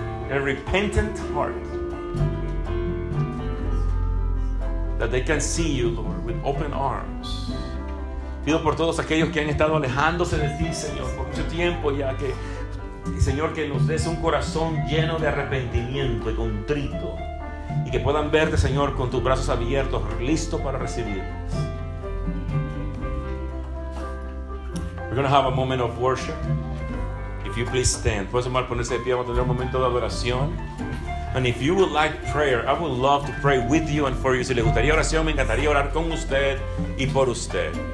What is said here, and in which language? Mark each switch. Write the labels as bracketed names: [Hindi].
[English] A repentant heart. That they can see you, Lord, with open arms. [Spanish] Pido por todos aquellos que han estado alejándose de ti, Señor, por mucho tiempo ya, que Señor, que nos des un corazón lleno de arrepentimiento y contrito, y que puedan verte, Señor, con tus brazos abiertos, listo para recibirlos. [English] We're going to have a moment of worship. If you please stand. [Spanish] Puedes tomar, ponerse de pie, vamos a tener un momento de adoración. [English] And if you would like prayer, I would love to pray with you and for you. [Spanish] Si le gustaría oración, me encantaría orar con usted y por usted.